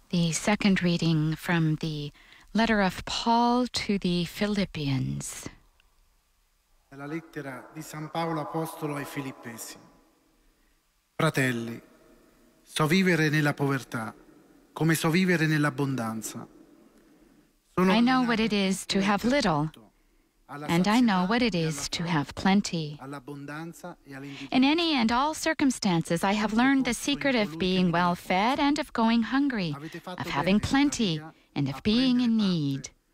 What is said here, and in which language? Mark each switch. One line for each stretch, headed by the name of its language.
English: Second reading from the letter of Paul to the Philippians.
Italian: La lettera di San Paolo apostolo ai Filippesi. Fratelli, so vivere nella povertà come so vivere nell'abbondanza.
English: I know what it is to have little, and I know what it is to have plenty. In any and all circumstances, I have learned the secret of being well fed and of going hungry, of having plenty and of being in need.